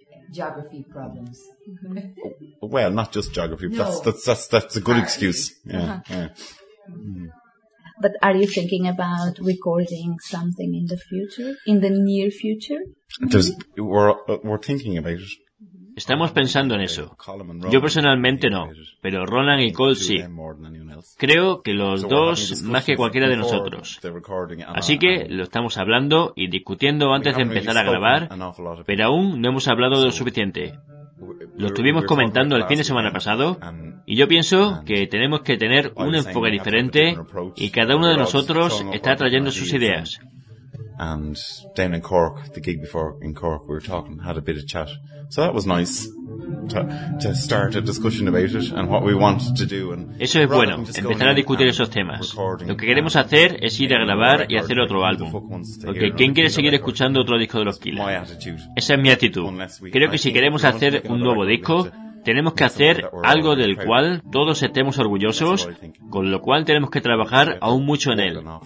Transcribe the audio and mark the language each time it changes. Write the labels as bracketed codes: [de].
[en] geography problems. Well, not just geography. No. That's a good excuse. But are you thinking about recording something in the future, in the near future? We're thinking about it. [es] Estamos pensando en eso. Yo personalmente no, pero Ronan y Cole sí. Creo que los dos más que cualquiera de nosotros. Así que lo estamos hablando y discutiendo antes de empezar a grabar, pero aún no hemos hablado lo suficiente. Lo estuvimos comentando el fin de semana pasado y yo pienso que tenemos que tener un enfoque diferente y cada uno de nosotros está trayendo sus ideas. [en] And down in Cork, the gig before in Cork, we were talking, had a bit of chat. So that was nice to start a discussion about it and what we wanted to do. And [es] eso es bueno, empezar a discutir esos temas. Lo que queremos hacer es ir a grabar y hacer otro álbum. Porque ¿quién quiere seguir escuchando otro disco de los Killers? Esa es mi actitud. Creo que si queremos hacer un nuevo disco, tenemos que hacer algo del cual todos estemos orgullosos, con lo cual tenemos que trabajar aún mucho en él.